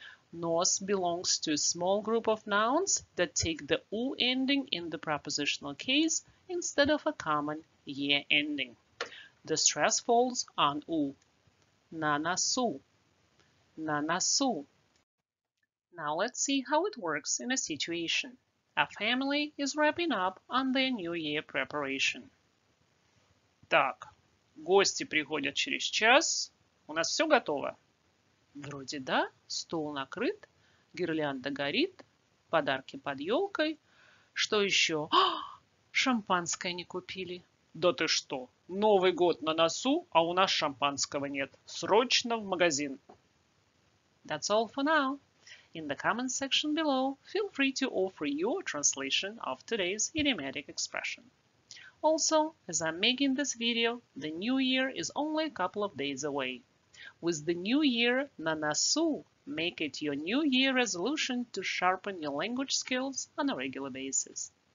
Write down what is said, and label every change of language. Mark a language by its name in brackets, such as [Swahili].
[English] Nos belongs to a small group of nouns that take the u ending in the prepositional case instead of a common ye ending. The stress falls on u. [Russian] На носу. На носу. [English] Now let's see how it works in a situation. A family is wrapping up on their New Year preparation. [Russian] Так, гости приходят через час. У нас все готово. Вроде да, стол накрыт, гирлянда горит, подарки под елкой. Что еще? О, шампанское не купили. Да ты что? Новый год на носу, а у нас шампанского нет. Срочно в магазин. [English] That's all for now. In the comment section below, feel free to offer your translation of today's idiomatic expression. Also, as I'm making this video, the new year is only a couple of days away. With the new year [Russian] на носу, [English] make it your new year resolution to sharpen your language skills on a regular basis.